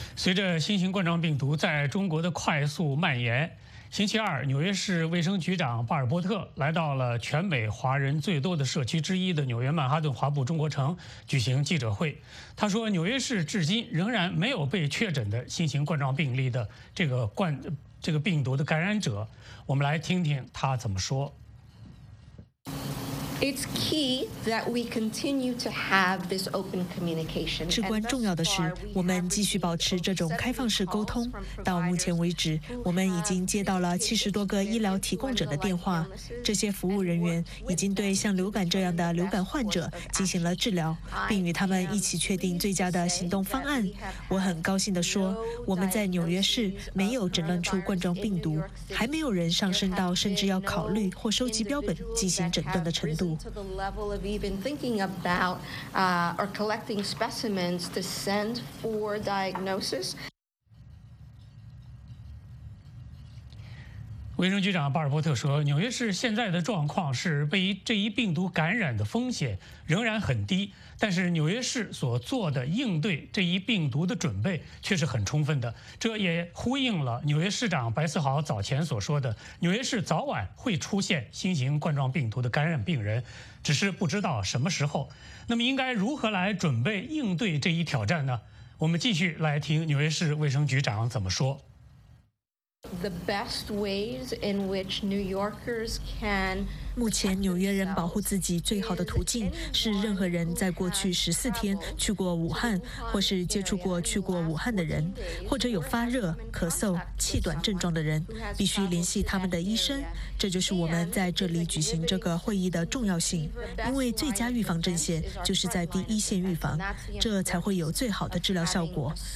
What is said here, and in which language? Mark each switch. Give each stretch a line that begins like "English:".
Chinese: 随着新型冠状病毒在中国的快速蔓延，星期二，纽约市卫生局长巴尔波特来到了全美华人最多的社区之一的纽约曼哈顿华埠中国城举行记者会。他说，纽约市至今仍然没有被确诊的新型冠状病例的这个病毒的感染者。我们来听听他怎么说。
English: It's key that we continue to have this open communication.
Chinese: 至关重要的是，我们继续保持这种开放式沟通。到目前为止，我们已经接到了70多个医疗提供者的电话。这些服务人员已经对像流感这样的流感患者进行了治疗，并与他们一起确定最佳的行动方案。我很高兴地说，我们在纽约市没有诊断出冠状病毒，还没有人上升到甚至要考虑或收集标本进行诊断的程度。
English: To the level of even thinking about or collecting specimens to send for diagnosis.
Chinese: 卫生局长巴尔波特说，纽约市现在的状况是被这一病毒感染的风险仍然很低，但是纽约市所做的应对这一病毒的准备却是很充分的。这也呼应了纽约市长白思豪早前所说的，纽约市早晚会出现新型冠状病毒的感染病人，只是不知道什么时候。那么应该如何来准备应对这一挑战呢？我们继续来听纽约市卫生局长怎么说。
English: The best ways in which New Yorkers can
Chinese: 目前纽约人保护自己最好的途径是任何人在过去14天去过武汉，或是接触过去过武汉的人，或者有发热、咳嗽、气短症状的人，必须联系他们的医生。这就是我们在这里举行这个会议的重要性，因为最佳预防阵线就是在第一线预防，这才会有最好的治疗效果。